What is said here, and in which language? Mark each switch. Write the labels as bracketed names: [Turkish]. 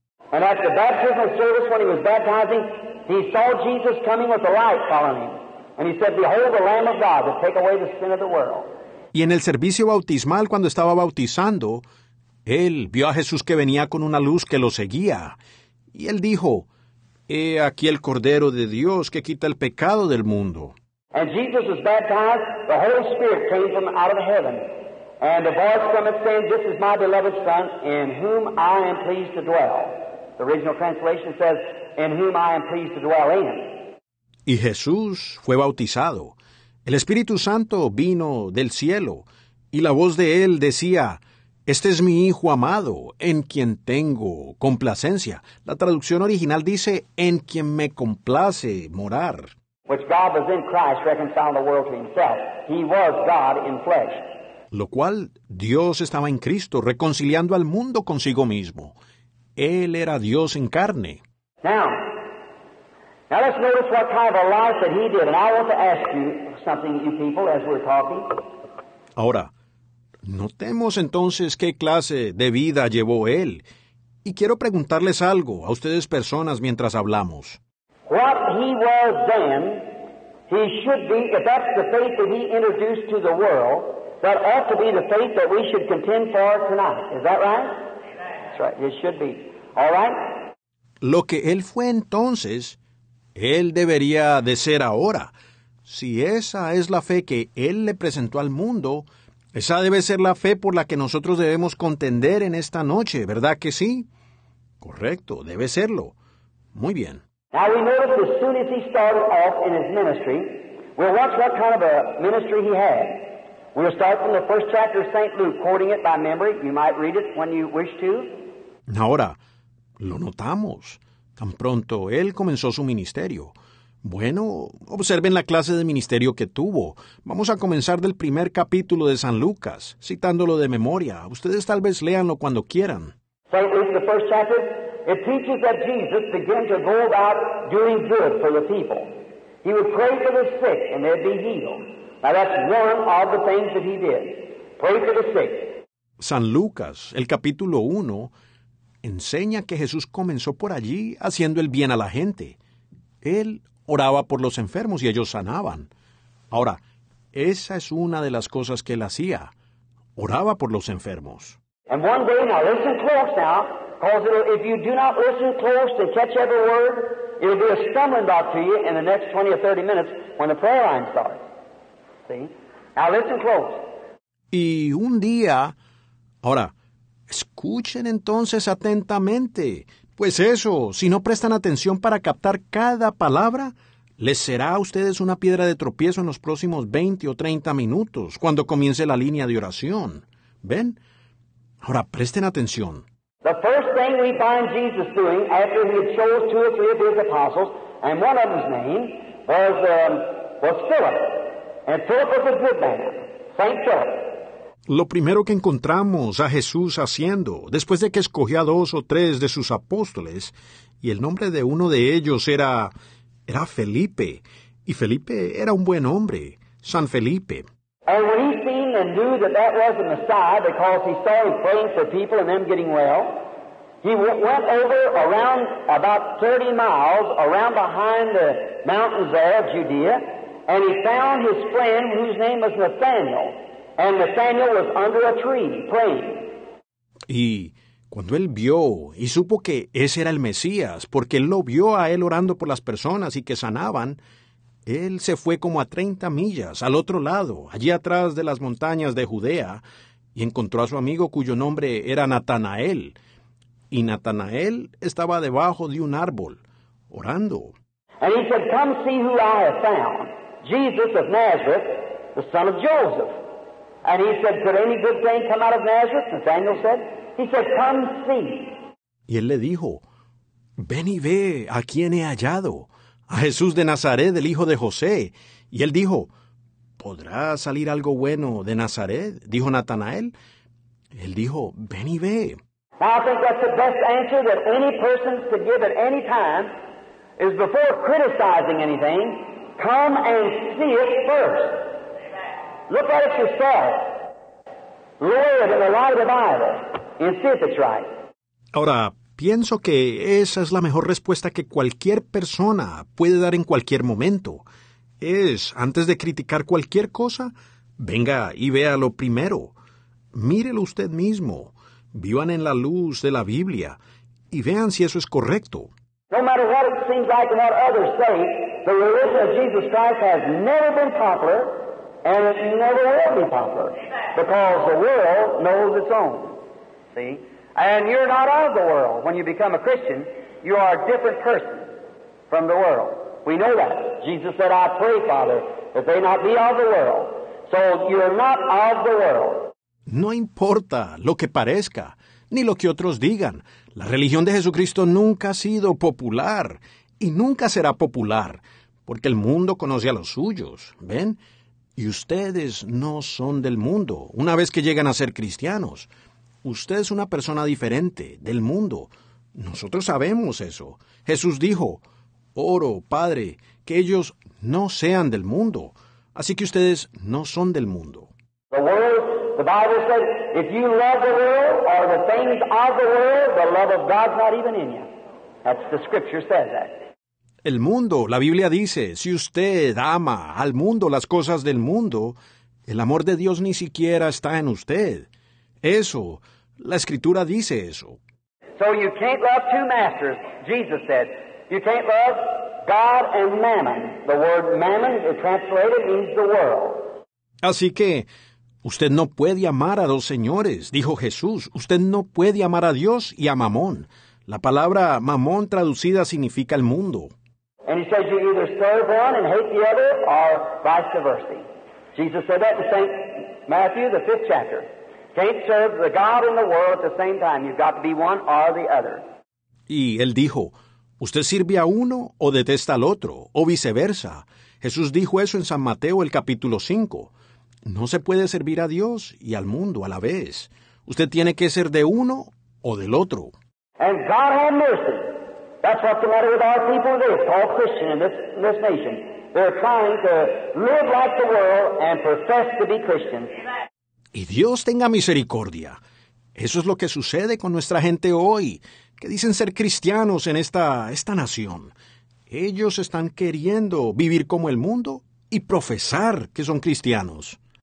[English] And at the baptismal service, when he was baptizing, he saw Jesus coming with the light following him. And he said, "Behold the Lamb of God that take away the sin of the world." [Spanish] Y en el servicio bautismal, cuando estaba bautizando, él vio a Jesús que venía con una luz que lo seguía. Y él dijo, "He aquí el Cordero de Dios que quita el pecado del mundo." [English] And Jesus was baptized, the Holy Spirit came from out of heaven. And the voice from it saying, "This is my beloved Son, in whom I am pleased to dwell." The original translation says, "In whom I am pleased to dwell in." [Spanish] Y Jesús fue bautizado. El Espíritu Santo vino del cielo, y la voz de él decía, "Este es mi Hijo amado, en quien tengo complacencia." La traducción original dice, "En quien me complace morar." [English] Which God was in Christ, reconciling the world to himself. He was God in flesh. [Spanish] Lo cual, Dios estaba en Cristo, reconciliando al mundo consigo mismo. Él era Dios en carne. [English] Now let's notice what kind of a life that he did. And I want to ask you something, you people, as we're talking. [Spanish] Ahora, notemos entonces qué clase de vida llevó él. Y quiero preguntarles algo a ustedes personas mientras hablamos. [English] What he was then, he should be, if that's the faith that he introduced to the world, that ought to be the faith that we should contend for tonight. Is that right? That's right. It should be. All right? [Spanish] Lo que él fue entonces, él debería de ser ahora. Si esa es la fe que él le presentó al mundo, esa debe ser la fe por la que nosotros debemos contender en esta noche, ¿verdad que sí? Correcto, debe serlo. Muy bien. [English] Now we notice as soon as he started off in his ministry, we'll watch what kind of a ministry he had. We'll start from the first chapter of St. Luke, quoting it by memory. You might read it when you wish to. [Spanish] Ahora, lo notamos. Tan pronto él comenzó su ministerio. Bueno, observen la clase de ministerio que tuvo. Vamos a comenzar del primer capítulo de San Lucas, citándolo de memoria. Ustedes tal vez léanlo cuando quieran. [English] St. Luke, the first chapter, it teaches that Jesus began to go about doing good for the people. He would pray for the sick and they'd be healed. Now that's one of the things that he did. Pray for the sick. [Spanish] San Lucas, el capítulo 1, enseña que Jesús comenzó por allí haciendo el bien a la gente. Él oraba por los enfermos y ellos sanaban. Ahora, esa es una de las cosas que él hacía. Oraba por los enfermos. [English] And one day, now listen close now, because if you do not listen close and catch every word, it will be a stumbling block to you in the next 20 or 30 minutes when the prayer line starts. See? Now listen close. [Spanish] Y un día, ahora, escuchen entonces atentamente, pues eso, si no prestan atención para captar cada palabra, les será a ustedes una piedra de tropiezo en los próximos 20 o 30 minutos, cuando comience la línea de oración. ¿Ven? Ahora, presten atención. [English] The first thing we find Jesus doing after he had chose two or three of his apostles, and one of his name was Philip. And Philip was a good man, Saint Philip. [Spanish] Lo primero que encontramos a Jesús haciendo, después de que escogió a dos o tres de sus apóstoles, y el nombre de uno de ellos era Felipe, y Felipe era un buen hombre, San Felipe. [English] And when he seen and knew that that was the Messiah, because he saw him praying for people and them getting well, he went over around about 30 miles around behind the mountains there of Judea, and he found his friend whose name was Nathanael. And Nathanael was under a tree praying. [Spanish] Y cuando él vio y supo que ese era el Mesías, porque él lo vio a él orando por las personas y que sanaban, él se fue como a 30 millas al otro lado, allí atrás de las montañas de Judea, y encontró a su amigo cuyo nombre era Natanael. Y Natanael estaba debajo de un árbol, orando. [English] And he said, come see who I have found, Jesus of Nazareth, the son of Joseph. And he said, could any good thing come out of Nazareth? Nathanael said. He said, come see. [Spanish] Y él le dijo, ven y ve a quien he hallado, a Jesús de Nazaret, el hijo de José. Y él dijo, ¿podrá salir algo bueno de Nazaret? Dijo Natanael. Él dijo, ven y ve. [English] Now I think that's the best answer that any person could give at any time is before criticizing anything, come and see it first. Look at it yourself. Look at the light of the Bible and see if it's right. [Spanish] Ahora, pienso que esa es la mejor respuesta que cualquier persona puede dar en cualquier momento. Es, antes de criticar cualquier cosa, venga y véalo primero. Mírelo usted mismo. Vivan en la luz de la Biblia y vean si eso es correcto. [English] No matter what it seems like and what others say, the religion of Jesus Christ has never been popular and it never will be popular because the world knows its own. See? And you're not out of the world. When you become a Christian, you are a different person from the world. We know that. Jesus said, I pray, Father, that they not be of the world. So you're not of the world. [Spanish] No importa lo que parezca, ni lo que otros digan. La religión de Jesucristo nunca ha sido popular y nunca será popular, porque el mundo conoce a los suyos, ¿ven? Y ustedes no son del mundo una vez que llegan a ser cristianos. Usted es una persona diferente del mundo. Nosotros sabemos eso. Jesús dijo, oro, Padre, que ellos no sean del mundo. Así que ustedes no son del mundo. [English] The Bible says, if you love the world or the things of the world, the love of God's not even in you. That's the scripture says that. [Spanish] El mundo, la Biblia dice, si usted ama al mundo, las cosas del mundo, el amor de Dios ni siquiera está en usted. Eso, la escritura dice eso. [English] So you can't love two masters, Jesus said. You can't love God and mammon. The word mammon, it translated, means the world. [Spanish] Así que, usted no puede amar a dos señores, dijo Jesús. Usted no puede amar a Dios y a mamón. La palabra mamón traducida significa el mundo. [English] And he said, you either serve one and hate the other, or vice versa. Jesus said that in St. Matthew, the 5th chapter. Can't serve the God and the world at the same time. You've got to be one or the other. [Spanish] Y él dijo, usted sirve a uno o detesta al otro, o viceversa. Jesús dijo eso en San Mateo, el capítulo 5. No se puede servir a Dios y al mundo a la vez. Usted tiene que ser de uno o del otro. [English] And God have mercy. That's what's the matter with our people today, called Christian in this nation. They're trying to live like the world and profess to be Christians. [Spanish] Y Dios tenga misericordia. Eso es lo que sucede con nuestra gente hoy, que dicen ser cristianos en esta nación. Ellos están queriendo vivir como el mundo y profesar que son cristianos.